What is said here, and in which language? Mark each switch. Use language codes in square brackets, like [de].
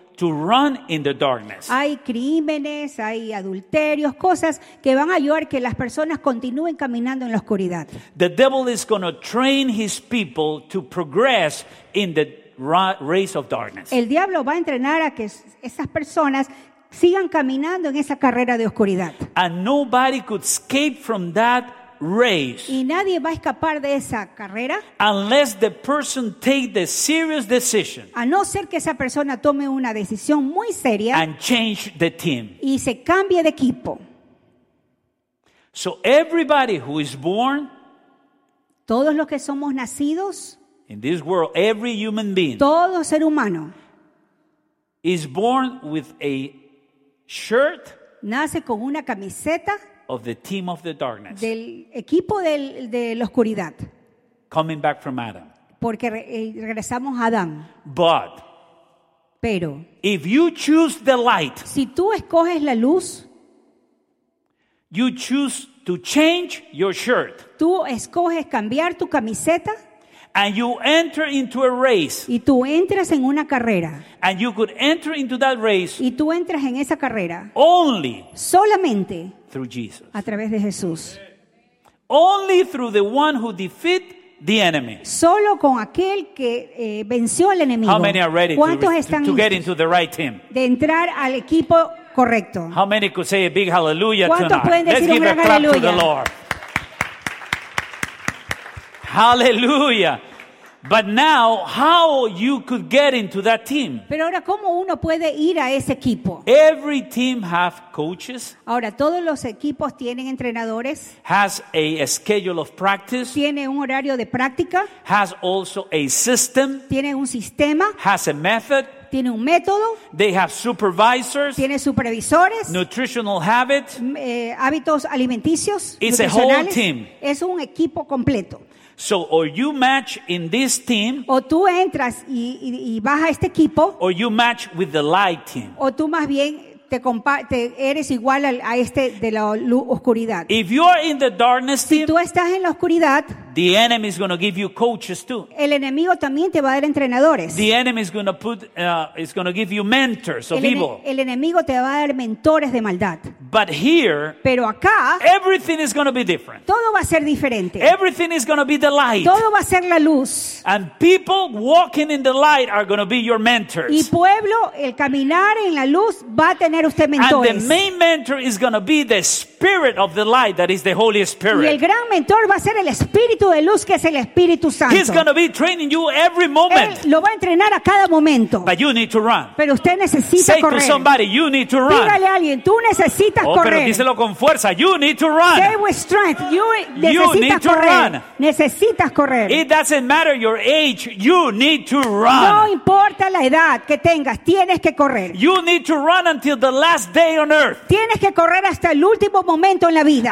[en] To run in the darkness. [es] Hay crímenes, hay adulterios, cosas que van a ayudar que las personas continúen caminando en la oscuridad. [en] The devil is going to train his people to progress in the race of darkness. [es] El diablo va a entrenar a que esas personas sigan caminando en esa carrera de oscuridad. [en] And nobody could escape from that race. [es] Y nadie va a escapar de esa carrera. [en] Unless the person take the serious decision. [es] A no ser que esa persona tome una decisión muy seria. [en] And change the team. [es] Y se cambie de equipo. [en] So everybody who is born. [es] Todos los que somos nacidos. [en] In this world, every human being. [es] Todo ser humano. [en] Is born with a shirt. [es] Nace con una camiseta. [en] Of the team of the darkness. [es] Del equipo de la oscuridad. [en] Coming back from Adam. [es] Porque regresamos a Adán. [en] But. [es] Pero. [en] If you choose the light. [es] Si tú escoges la luz. [en] You choose to change your shirt. [es] Tú escoges cambiar tu camiseta. [en] And you enter into a race. [es] Y tú entras en una carrera. [en] And you could enter into that race. [es] Y tú entras en esa carrera. [en] Only. [es] Solamente. [en] Through Jesus. [es] A través de Jesús. [en] Only through the one who defeat the enemy. [es] Solo con aquel que venció al enemigo. [en] How many are ready to get into the right team? [es] De entrar al equipo correcto. [en] How many could say a big hallelujah tonight? [es] ¿Cuántos pueden decir un gran aleluya? [en] Let's give a clap to the Lord. Hallelujah. But now, how you could get into that team? [es] Pero ahora, ¿cómo uno puede ir a ese equipo? [en] Every team have coaches. [es] Ahora, todos los equipos tienen entrenadores. [en] Has a schedule of practice. [es] Tiene un horario de práctica. [en] Has also a system. [es] Tiene un sistema. [en] Has a method. [es] Tiene un método. [en] They have supervisors. [es] Tiene supervisores. [en] Nutritional habits. [es] Hábitos alimenticios. [en] It's a whole team. [es] Es un equipo completo. [en] So, or you match in this team. [es] O tú entras y vas a este equipo. [en] Or you match with the light team. [es] O tú más bien eres igual a este de la oscuridad. [en] If you are in the darkness team. [es] Si tú estás en la oscuridad. [en] The enemy is going to give you coaches too. [es] El enemigo también te va a dar entrenadores. [en] The enemy is going to give you mentors of evil. [es] El enemigo te va a dar mentores de maldad. [en] But here, [es] pero acá, [en] everything is going to be different. [es] Todo va a ser diferente. [en] Everything is going to be the light. [es] Todo va a ser la luz. [en] And people walking in the light are going to be your mentors. [es] Y pueblo, el caminar en la luz va a tener usted mentores. [en] And the main mentor is going to be the Spirit of the light, that is the Holy Spirit. [es] Y el gran mentor va a ser el Espíritu de luz, que es el Espíritu Santo. [en] He's going to be training you every moment. [es] Él lo va a entrenar a cada momento. [en] But you need to run. [es] Pero usted necesita [en] Say [es] correr. [en] To somebody, you need to run. [es] Dígale a alguien, tú necesitas necesitas correr. Oh, pero díselo con fuerza. [en] You need to run. Say with strength. You [es] necesitas correr. [en] You need to run. [es] Necesitas correr. [en] It doesn't matter your age. You need to run. [es] No importa la edad que tengas, tienes que correr. [en] You need to run until the last day on earth. [es] Tienes que correr hasta el último momento en la vida.